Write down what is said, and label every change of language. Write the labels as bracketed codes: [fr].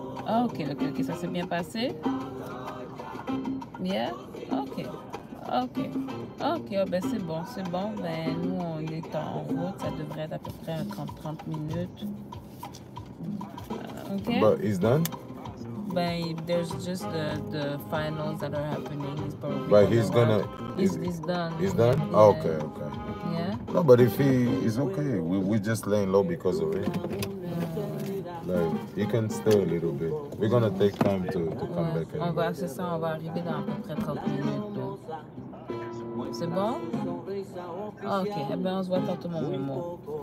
[fr] Ah, ok, ok, ok, ça s'est bien passé? [en] Yeah? [fr] Ok, ok, ok, oh, ben c'est bon, ben nous on est en route, ça devrait être à peu près 30 minutes. Ok? [en] But it's done? Ben, there's just the finals that are happening. He's probably but he's gonna... He's done. He's done? Yeah. Oh, okay, okay. Yeah? No, but if he is okay, we just laying low because of him. Like, you can stay a little bit. We're going to take time to come [fr] ouais, [en] back. [fr] On va, c'est ça, on va arriver dans à peu près 30 minutes. Donc. C'est bon? Ok, eh ben on se voit tantôt, mon maman.